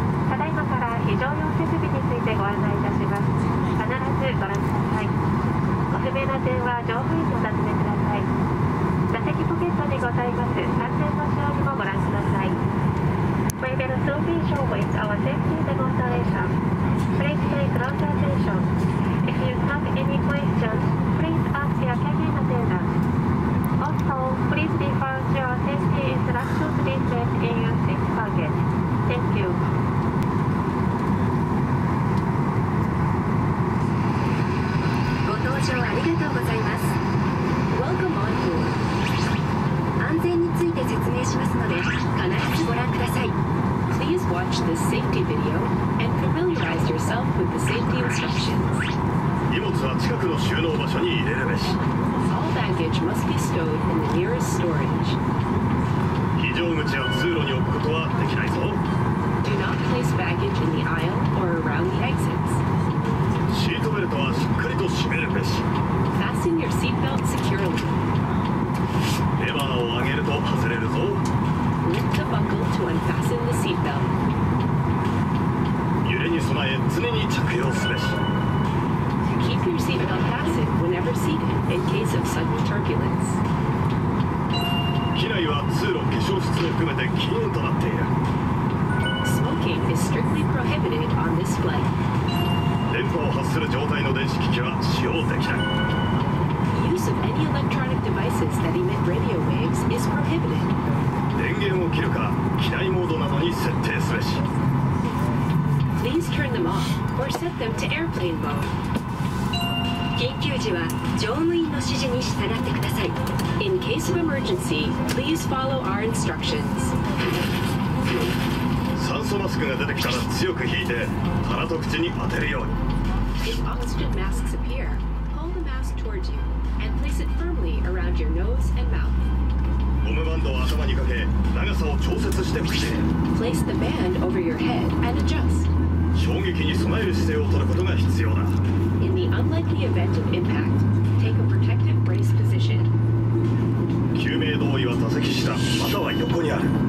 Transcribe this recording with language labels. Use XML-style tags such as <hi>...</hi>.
<ja>ただいまから非常用設備についてご案内いたします。必ずご覧ください。ご不明な点は乗務員にお尋ねください。座席ポケットにございます安全保障にもご覧ください。</ja> <en>We will soon be sure with our safety demonstration. Please pay close attention. If you have any questions, please ask your cabin attendant. Also, please refer to your safety instructions leaflet in your seat pocket. Thank you.</en> <ja>ありがとうございます。</ja> <en>Welcome on board.</en> <ja>安全について説明しますので必ずご覧ください。</ja> <en>Please watch this safety video and familiarize yourself with the safety instructions.</en> <ja>荷物は近くの収納場所に入れるべし。</ja> <en>All baggage must be stowed in the nearest storage.</en> <ja>非常口や通路に置くことはできないぞ。</ja> <en>Do not place baggage in the aisle or around the exits</en> <ja>シートベルトはしっかりと締めるべし。</ja> <en>Fasten your seatbelt securely.</en> <ja>レバーを上げると外れるぞ。</ja> <en>Lift the buckle to unfasten the seatbelt.</en> <ja>揺れに備え常に着用すべし。</ja> <en>Keep your seatbelt fastened whenever seated in case of sudden turbulence.</en> <ja>機内は通路、化粧室を含めて禁煙となっている。</ja> <en>Smoking is strictly prohibited on this flight.</en> <ja>電波を発する状態の電子機器は使用できない。</ja> <en>Use of any electronic devices that emit radio waves is prohibited.</en> <ja>電源を切るか機内モードなどに設定すべし。</ja> <en>Please turn them off or set them to airplane mode.</en> <ja>緊急時は乗務員の指示に従ってください。</ja> <en>In case of emergency, please follow our instructions.</en> <ja>酸素マスクが出てきたら強く引いて鼻と口に当てるように。</ja> <en>If oxygen masks appear, pull the mask towards you and place it firmly around your nose and mouth.</en> <ja>ゴムバンドを頭にかけ長さを調節してみて。</ja> <en>Place the band over your head and adjust.</en> <ja>衝撃に備える姿勢を取ることが必要だ。</ja> <en>In the unlikely event of impact, take a protective brace position.</en> <ja>救命胴衣は座席下または横にある。</ja>